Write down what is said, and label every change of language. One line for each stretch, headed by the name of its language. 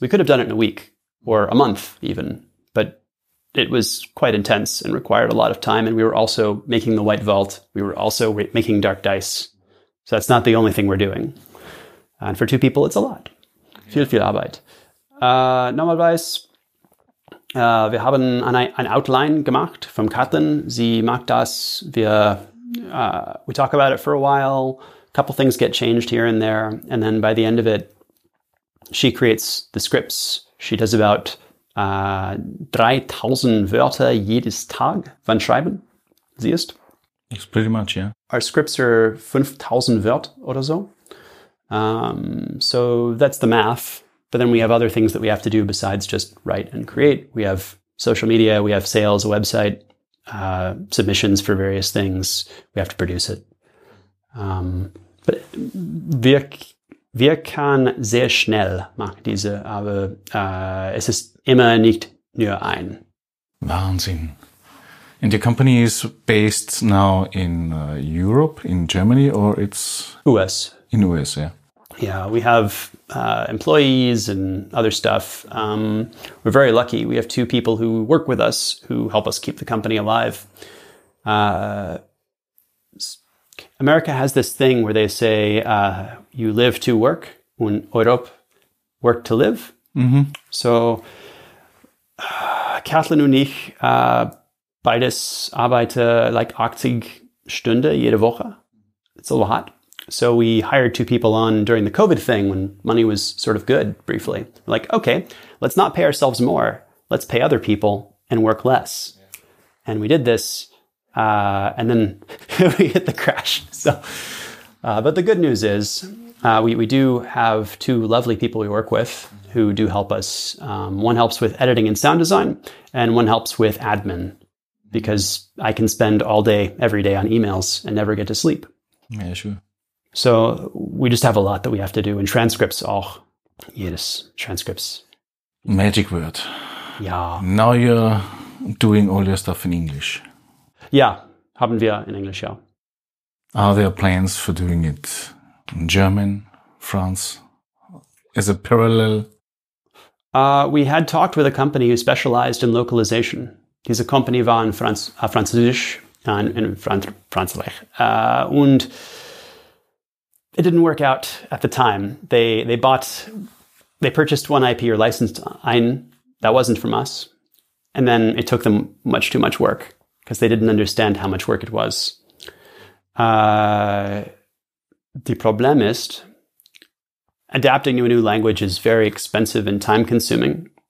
English: We could have done it in a week or a month even, but it was quite intense and required a lot of time. And we were also making The White Vault. We were also making Dark Dice. So that's not the only thing we're doing. And for two people, it's a lot.
German: Yeah. Viel, viel Arbeit. Normalerweise, wir haben ein Outline gemacht von Katrin. Sie macht das.
English: We talk about it for a while. A couple things get changed here and there. And then by the end of it, she creates the scripts. She does about 3,000
German: Wörter jedes Tag. Wann schreiben sie es?
English: It's pretty much, yeah. Our scripts are 5,000
German: Wörter oder so.
English: So that's the math. But then we have other things that we have to do besides just write and create. We have social media, we have sales, a website, submissions for various things. We have to produce it.
German: But wir kann sehr schnell machen diese, aber es ist immer nicht nur ein. Wahnsinn.
English: And your company is based now in Europe, in Germany, or it's... US. In US, yeah. Yeah, we have employees and other stuff. We're very lucky. We have two people who work with us who help us keep the company alive. America has this thing where they say you live to work, und Europe work to live. Mm-hmm.
German: So, Kathleen und ich beides arbeiten like 80 Stunden jede Woche.
English: It's a lot. So we hired two people on during the COVID thing when money was sort of good briefly. We're like, okay, let's not pay ourselves more. Let's pay other people and work less. Yeah. And we did this and then we hit the crash. So, but the good news is we do have two lovely people we work with who do help us. One helps with editing and sound design and one helps with admin because I can spend all day, every day on emails and never get to sleep. Yeah, sure. So we just have a lot that we have to do. And transcripts, auch. Yes, transcripts. Magic word. Yeah. Now you're doing all your stuff in English.
German: Yeah, haben wir in English, ja.
English: Are there plans for doing it in German, France, as a parallel? We had talked with a company who specialized in localization.
German: Diese Company war in Französisch, in Französisch. Und...
English: It didn't work out at the time. They purchased one IP or licensed ein that wasn't from us. And then it took them much too much work because they didn't understand how much work it was. The problem is adapting to a new language is very expensive and time consuming.